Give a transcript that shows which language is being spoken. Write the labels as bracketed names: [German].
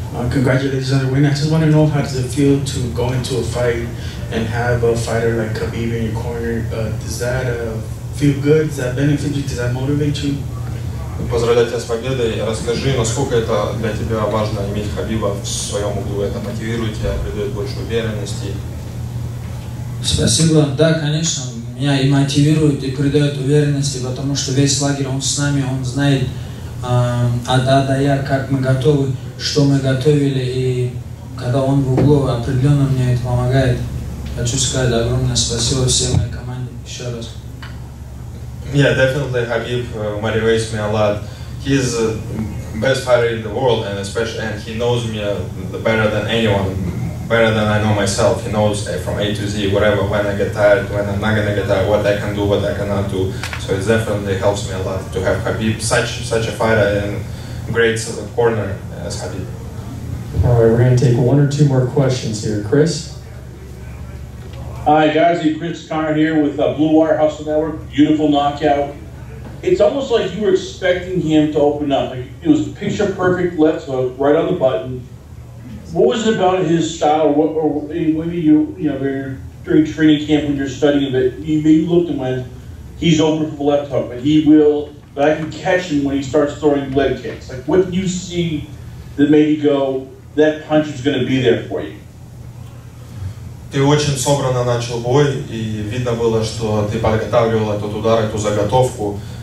[English] Congratulations on the win. I just want to know, how does it feel to go into a fight and have a fighter like Khabib in your corner? Does that feel good? Does that benefit you? Does that motivate you? [Russian] Поздравляю тебя с победой. Расскажи, насколько это для тебя важно иметь Хабиба в своем углу. Это мотивирует тебя, придает больше уверенности. Спасибо. Да, конечно, меня и мотивирует, и придает уверенности, потому что весь лагерь, он с нами, он знает от А до Я, как мы готовы, что мы готовили. И когда он в углу, определенно мне это помогает. Хочу сказать огромное спасибо всей моей команде еще раз. [English] Yeah, definitely Khabib motivates me a lot. He's the best fighter in the world, and especially, and he knows me better than anyone, better than I know myself. He knows from A to Z, whatever, when I get tired, when I'm not going to get tired, what I can do, what I cannot do. So it definitely helps me a lot to have Khabib, such a fighter and great corner as Khabib. All right, we're going to take one or two more questions here. Chris? Hi guys, Chris Connor here with Blue Wire Hustle Network. Beautiful knockout. It's almost like you were expecting him to open up. Like, it was picture perfect left hook, right on the button. What was it about his style? What, or maybe during training camp when you're studying it, you looked at him, he's open for the left hook, but he will. But I can catch him when he starts throwing leg kicks. Like, what do you see that made you go, that punch is going to be there for you? [Russian] Ты очень собранно начал бой, и видно было, что ты подготавливал этот удар, эту заготовку.